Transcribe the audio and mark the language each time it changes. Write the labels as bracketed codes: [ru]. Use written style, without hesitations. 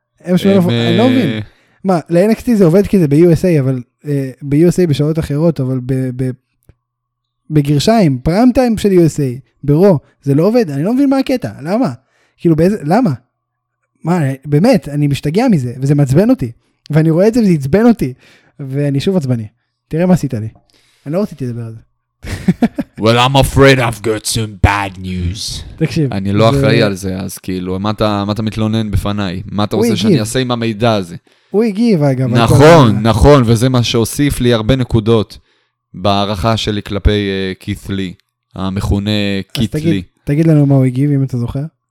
[he] הם שמנופובים, אני לא מבין. מה, ל-NXT זה עובד כזה ב-USA, אבל ב-USA בשעות אחרות, אבל בגרשיים, פריים טיים של USA, ברו, זה לא עובד, אני לא מבין מה הקטע, למה? כאילו, למה? מה, באמת, אני משתגע מזה, וזה מעצבן אותי, ואני רואה את זה וזה עצבן אותי, ואני שוב עצבני. תראה מה עשית לי. אני לא רציתי לדבר על זה. [en] Well, I'm afraid I've got some bad news. [he] תקשיב. אני לא אחראי על זה, אז כאילו, מה אתה מתלונן בפניי? מה אתה רוצה שאני אעשה עם המידע הזה? הוא הגיב, אגב. נכון, נכון, וזה מה שהוסיף לי הרבה נקודות בהערכה שלי כלפי קית' לי, המכונה קית' לי. אז תגיד לנו מה הוא הגיב, אם אתה זוכר.